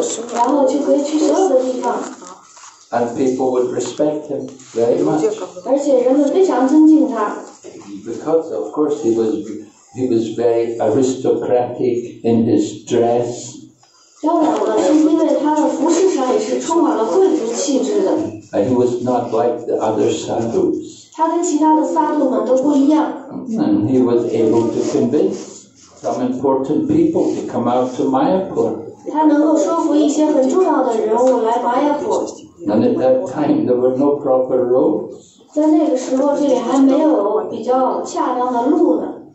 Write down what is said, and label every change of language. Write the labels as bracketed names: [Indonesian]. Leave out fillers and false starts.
[Chinese] 这辆车是用来传播的。 [English] And Bhaktisiddhanta Sarasvati Prabhupada would go to preach to very important people, very big people in the government. [Chinese] 而且人们非常尊敬他。 [English] Because of course he was very aristocratic in his dress. [Chinese] 当然了，是因为他的服饰上也是充满了贵族气质的。 [English] And he was not like the other sadhus. [Chinese] 他跟其他的萨杜们都不一样。 [English] And he was able to convince some important people to come out to Mayapur. [Chinese] 他能够说服一些很重要的人物来麻雅普。 [English] And at that time, there were no proper roads. [Chinese] 在那个时候，这里还没有比较恰当的路呢。